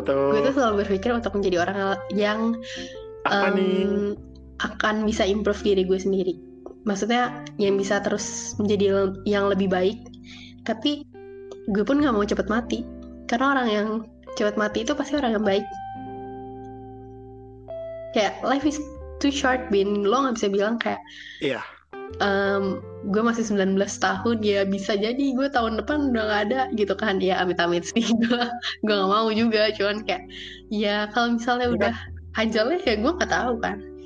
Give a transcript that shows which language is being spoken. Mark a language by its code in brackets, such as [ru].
[id] gue tuh selalu berpikir untuk menjadi orang yang Apa nih? Akan bisa improve diri gue sendiri. Maksudnya yang bisa terus menjadi yang lebih baik. Tapi gue pun gak mau cepat mati, karena orang yang cepat mati itu pasti orang yang baik. [en] Kayak life is too short, Bin. [id] Lo gak bisa bilang kayak gue masih 19 tahun, ya bisa jadi gue tahun depan udah gak ada gitu kan. Ya amit-amit sih, gue gak mau juga. Cuman kayak ya kalau misalnya udah ajalnya, ya gue gak tahu kan.